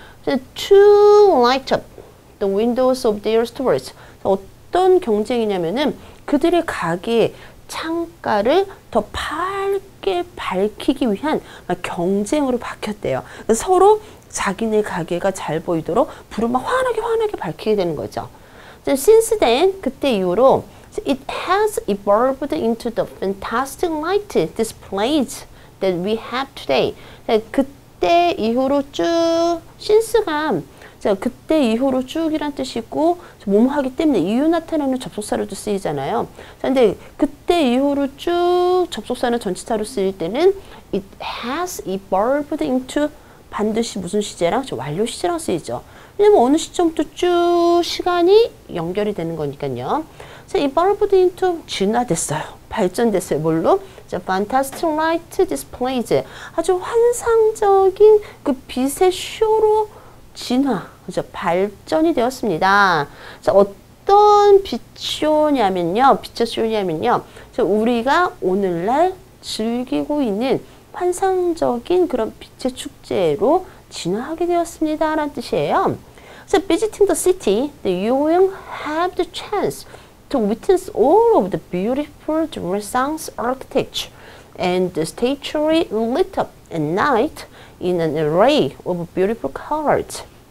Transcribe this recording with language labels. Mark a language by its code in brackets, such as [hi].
[en] To light up the windows of their stores. [ko] 어떤 경쟁이냐면은 그들의 가게 창가를 더 밝게 밝히기 위한 경쟁으로 바뀌었대요. 서로 자기네 가게가 잘 보이도록 불을 막 환하게 밝히게 되는 거죠. [en] Since then, [ko] 그때 이후로, [en] it has evolved into the fantastic light displays that we have today. [ko] 그때 이후로 쭉, since가, 그때 이후로 쭉이란 뜻이 있고, 뭐뭐하기 때문에 이유 나타내는 접속사로도 쓰이잖아요. 근데 그때 이후로 쭉 접속사는 전치사로 쓰일 때는, [en] it has evolved into [ko] 반드시 무슨 시제랑 완료 시제랑 쓰이죠. 왜냐면 어느 시점부터 쭉 시간이 연결이 되는 거니까요. 자, evolved into 진화됐어요. 발전됐어요. 뭘로? [en] 자, fantastic light displays. [ko] 아주 환상적인 그 빛의 쇼로 진화, 그죠? 발전이 되었습니다. 자, 어떤 빛의 쇼냐면요. 자, 우리가 오늘날 즐기고 있는 환상적인 그런 빛의 축제로 진화하게 되었습니다. 라는 뜻이에요. [en] So visiting the city, the young have the chance to witness all of the beautiful Renaissance architecture and the statuary lit up at night in an array of beautiful colors.